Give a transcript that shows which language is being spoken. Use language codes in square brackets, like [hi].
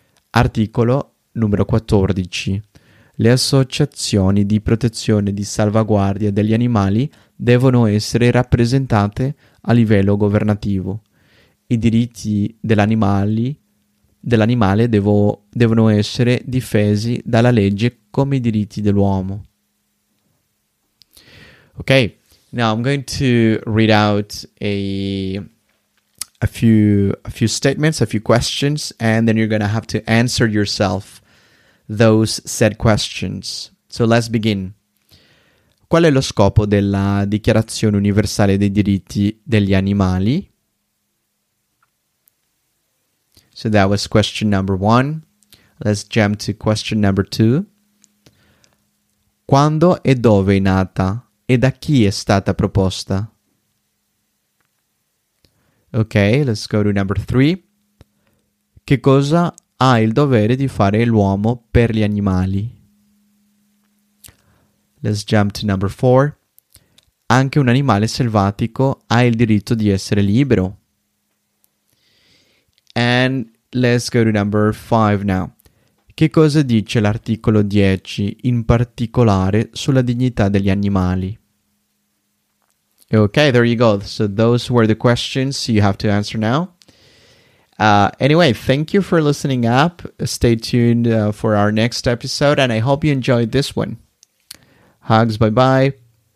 [it] Articolo numero 14. Le associazioni di protezione e di salvaguardia degli animali devono essere rappresentate a livello governativo. I diritti dell'animale devono essere difesi dalla legge come i diritti dell'uomo. [en] Okay, now I'm going to read out a few statements, a few questions, and then you're going to have to answer yourself those said questions. So let's begin. [it] Qual è lo scopo della Dichiarazione Universale dei Diritti degli Animali? [en] So that was question number one. Let's jump to question number two. [it] Quando e dove è nata? E da chi è stata proposta? [en] Okay, let's go to number three. [it] Che cosa ha il dovere di fare l'uomo per gli animali? [en] Let's jump to number four. [it] Anche un animale selvatico ha il diritto di essere libero. [en] And let's go to number five now. [it] Che cosa dice l'articolo 10 in particolare sulla dignità degli animali? [en] Okay, there you go. So those were the questions you have to answer now. Anyway, thank you for listening up. Stay tuned for our next episode, and I hope you enjoyed this one. Hugs, bye-bye.